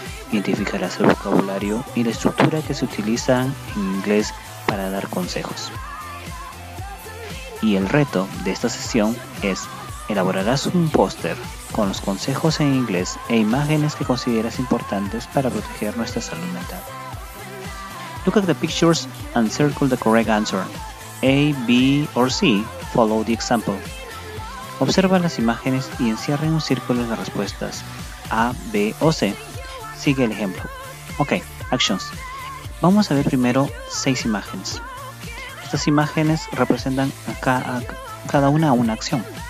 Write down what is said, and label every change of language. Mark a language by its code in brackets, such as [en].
[es] Identificarás el vocabulario y la estructura que se utilizan en inglés para dar consejos. Y el reto de esta sesión es: elaborarás un póster con los consejos en inglés e imágenes que consideras importantes para proteger nuestra salud mental. [en] Look at the pictures and circle the correct answer. A, B or C, follow the example. [es] Observa las imágenes y encierra en un círculo las respuestas. A, B o C, sigue el ejemplo. Ok, actions. Vamos a ver primero 6 imágenes. Estas imágenes representan cada una acción.